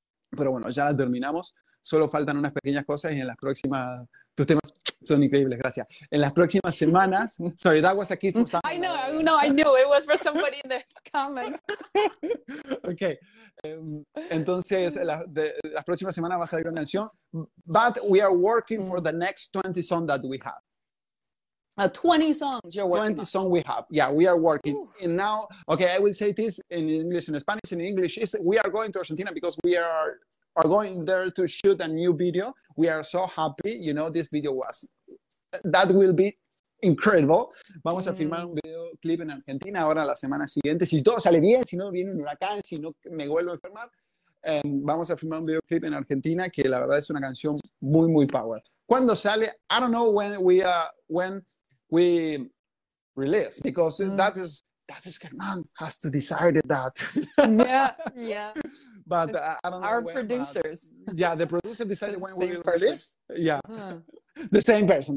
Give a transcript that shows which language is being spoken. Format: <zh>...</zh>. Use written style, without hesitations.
<es>Pero bueno, ya la terminamos. Solo faltan unas pequeñas cosas y en las próximas... Tus temas son increíbles, gracias. En las próximas semanas...</es> <en>Sorry, that was a kid from somewhere. I know. It was for somebody in the comments. Okay.</en> <es>Entonces, las próximas semanas va a salir una canción.</es> <en>But we are working for the next 20 songs that we have. 20 songs you're working 20 songs we have. Yeah, we are working. Ooh. And now, okay, I will say this in English and Spanish. In English, is we are going to Argentina because we are going there to shoot a new video. We are so happy. You know, this video was, that will be incredible.</en> <es>Vamos a filmar un video clip en Argentina ahora la semana siguiente. Si todo sale bien, si no viene un huracán, si no me vuelvo a enfermar, vamos a filmar un video clip en Argentina que la verdad es una canción muy, muy power. ¿Cuándo sale?</es> <en>I don't know when we release, because that is Germán has to decide that. yeah. But I don't know. Our producers. The producer decided when we release. Yeah. The same person.</en>